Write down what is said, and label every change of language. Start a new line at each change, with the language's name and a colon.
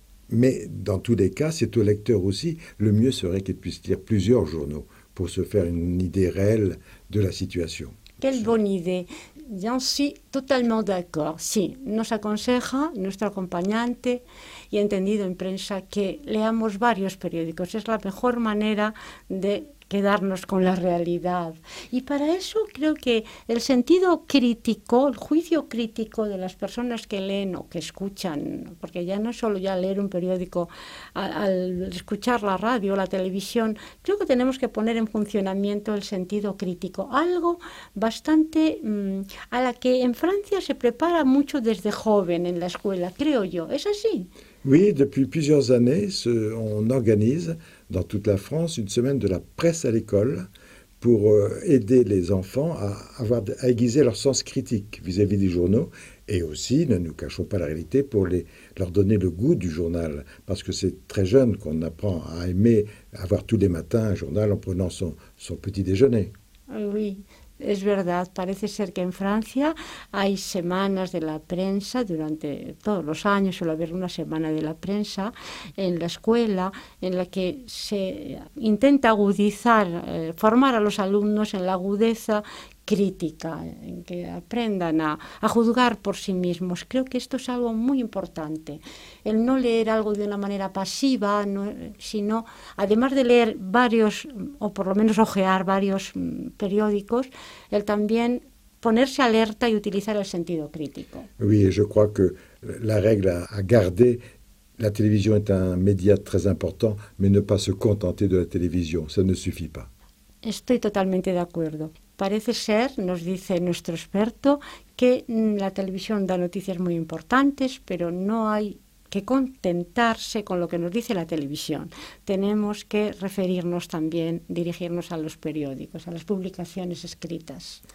French: Mais dans tous les cas, c'est au lecteur aussi. Le mieux serait qu'il puisse lire plusieurs journaux pour se faire une idée réelle de la situation. Quelle bonne idée! J'en suis totalement d'accord.
Spanish: Sí, nos aconseja nuestro acompañante y entendido en prensa que leamos varios periódicos. Es la mejor manera de quedarnos con la realidad. Y para eso creo que el sentido crítico, el juicio crítico de las personas que leen o que escuchan, porque ya no es solo ya leer un periódico, al escuchar la radio o la televisión, creo que tenemos que poner en funcionamiento el sentido crítico, algo bastante a la que en Francia se prepara mucho desde joven en la escuela, creo yo. ¿Es así?
French: Oui, depuis plusieurs années, on organise dans toute la France une semaine de la presse à l'école pour aider les enfants à aiguiser leur sens critique vis-à-vis des journaux et aussi, ne nous cachons pas la réalité, pour leur donner le goût du journal. Parce que c'est très jeune qu'on apprend à aimer avoir tous les matins un journal en prenant son petit déjeuner. Oui.
Spanish: Es verdad, parece ser que en Francia hay semanas de la prensa, durante todos los años suele haber una semana de la prensa en la escuela, en la que se intenta agudizar, formar a los alumnos en la agudeza crítica, en que aprendan a juzgar por sí mismos. Creo que esto es algo muy importante, el no leer algo de una manera pasiva, no, sino, además de leer varios, o por lo menos hojear varios periódicos, el también ponerse alerta y utilizar el sentido crítico.
French: Oui, je crois que la règle à garder, la télévision est un média très important, mais ne pas se contenter de la télévision, ça ne suffit pas.
Spanish: Estoy totalmente de acuerdo. Parece ser, nos dice nuestro experto, que la televisión da noticias muy importantes, pero no hay que contentarse con lo que nos dice la televisión. Tenemos que referirnos también, dirigirnos a los periódicos, a las publicaciones escritas.